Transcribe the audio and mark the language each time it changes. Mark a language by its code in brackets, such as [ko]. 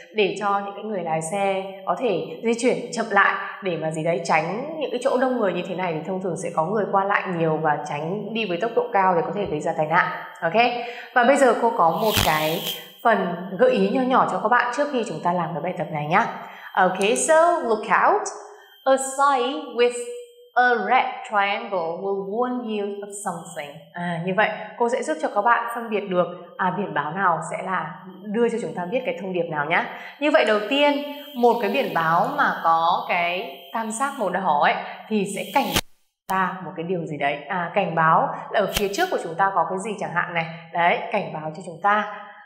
[vi] Để cho những cái người lái xe có thể di chuyển chậm lại để mà gì đấy, tránh những cái chỗ đông người như thế này thì thông thường sẽ có người qua lại nhiều và tránh đi với tốc độ cao để có thể gây ra tai nạn. Ok, và bây giờ cô có một cái phần gợi ý nhỏ nhỏ cho các bạn trước khi chúng ta làm cái bài tập này nhá. [en] Ok, so look out, a sign with a red triangle will warn you of something. [vi] À, như vậy cô sẽ giúp cho các bạn phân biệt được à, biển báo nào sẽ là đưa cho chúng ta biết cái thông điệp nào nhá. Như vậy đầu tiên, một cái biển báo mà có cái tam giác màu đỏ ấy thì sẽ cảnh ta một cái điều gì đấy. À, cảnh báo là ở phía trước của chúng ta có cái gì chẳng hạn này. Đấy, cảnh báo cho chúng ta.